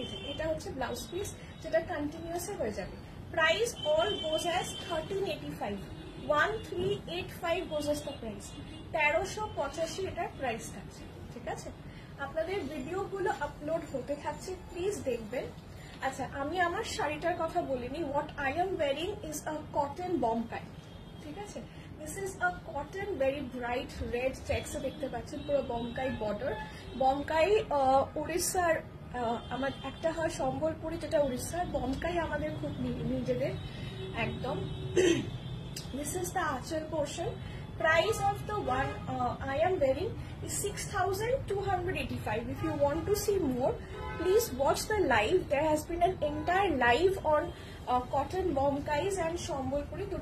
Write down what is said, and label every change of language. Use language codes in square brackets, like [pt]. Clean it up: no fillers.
[bn] এটা হচ্ছে blouse piece যেটা কন্টিনিউয়াস হয়ে যাবে। [en] Price all goes as 1385, 1385 goes as the price. [bn] 1385 এটার প্রাইস থাকছে, ঠিক আছে? আপনাদের ভিডিওগুলো আপলোড হতে থাকছে, প্লিজ দেখবেন। আচ্ছা, আমি আমার শাড়িটার কথা বলিনি। [en] what I am wearing is a cotton Bomkai, [bn] ঠিক আছে? [en] This is a cotton, very bright red checks, [bn] দেখতে পাচ্ছেন পুরো বমকাই বর্ডার। বমকাই উড়িষ্যার, আমার একটা হয় সম্বলপুরি, যেটা উড়িষ্যার, বমকাই আমাদের খুব নিজেদের একদম। [en] This is the aanchal portion. Price of the one I am wearing is 6285. If you want to see more, please watch the live. There has been an entire live on cotton bomkais and shambolpuri.